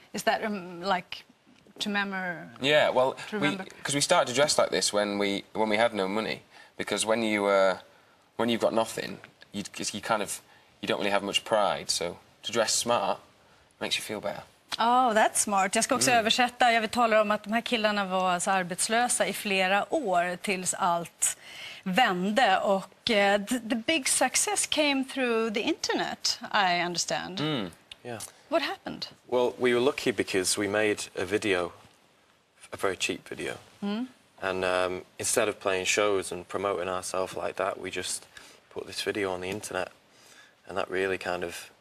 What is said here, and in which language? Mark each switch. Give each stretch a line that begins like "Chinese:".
English: Is that like to remember? Yeah, well, because we started to dress like this when we had no money, because when you've got nothing, you don't really have much pride. So to dress smart makes you feel better. Oh, that's smart.
Swedish: Jag ska också översätta. Jag vill tala om att de här killarna var alltså arbetslösa i flera år tills allt vände.
English: Och the big success came through the internet, I understand. Mm. Yeah. What happened? Well, we were lucky because we made a video, a very cheap video. Mm. And instead of playing shows and promoting ourselves like that, we just put this video on the internet. And that really kind of...